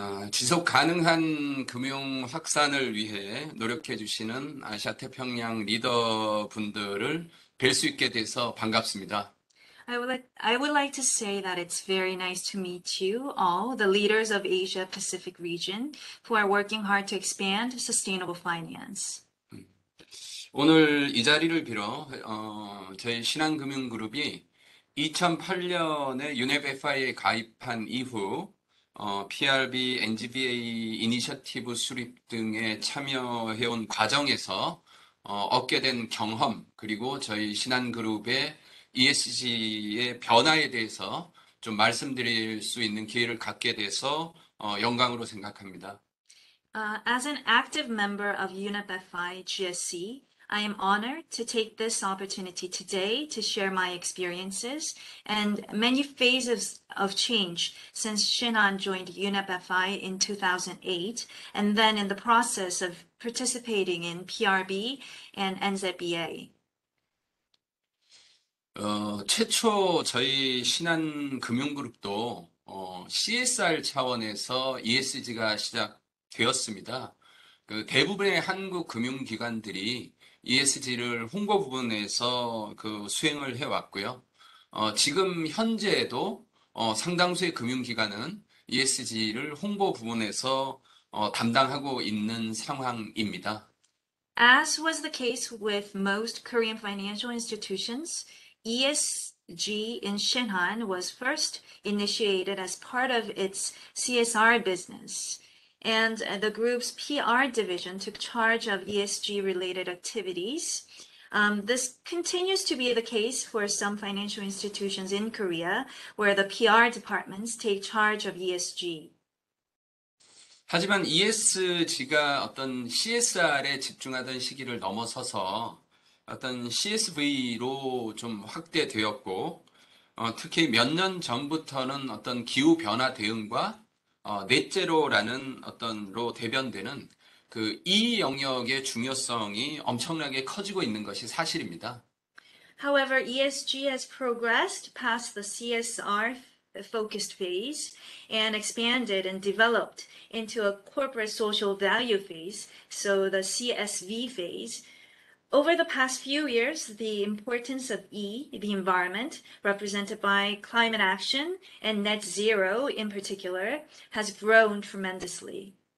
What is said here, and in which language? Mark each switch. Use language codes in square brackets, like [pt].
[ko] 지속 가능한 금융 확산을 위해 노력해 주시는 아시아 태평양 리더분들을 뵐 수 있게 돼서 반갑습니다. [en] I would like to say that it's very nice to meet you all, the leaders of Asia Pacific region who are working hard to expand sustainable finance. [ko] 오늘 이 자리를 빌어 저희 신한금융그룹이 2008년에 UNEP FI에 가입한 이후 PRB, NZBA 이니셔티브 수립 등에 참여해 온 과정에서 얻게 된 경험, 그리고 저희 신한그룹의 ESG의 변화에 대해서 좀 말씀드릴 수 있는 기회를 갖게 돼서 영광으로 생각합니다. [en] As an active member of UNEP FI GSC, I am honored to take this opportunity today to share my experiences and many phases of change since Shinhan joined UNEP FI in 2008, and then in the process of participating in PRB and NZBA. [ko] 최초 저희 신한 금융그룹도 CSR 차원에서 ESG가 시작되었습니다. 대부분의 한국 금융기관들이 ESG를 홍보 부분에서 수행을 해왔고요. 지금 현재에도 상당수의 금융기관은 ESG를 홍보 부분에서 담당하고 있는 상황입니다. [en] As was the case with most Korean financial institutions, ESG in Shinhan was first initiated as part of its CSR business, and the group's PR division took charge of ESG-related activities. This continues to be the case for some financial institutions in Korea, where the PR departments take charge of ESG. [ko] 하지만 ESG가 어떤 CSR에 집중하던 시기를 넘어서서 어떤 CSV로 좀 확대되었고, 특히 몇년 전부터는 어떤 기후 변화 대응과 넷제로라는 어떤으로 대변되는 이 영역의 중요성이 엄청나게 커지고 있는 것이 사실입니다. [en] However, ESG has progressed past the CSR focused phase and expanded and developed into a corporate social value phase, so the CSV phase. Over the past few years, the importance of E, the environment, represented by climate action and net zero in particular, has grown tremendously.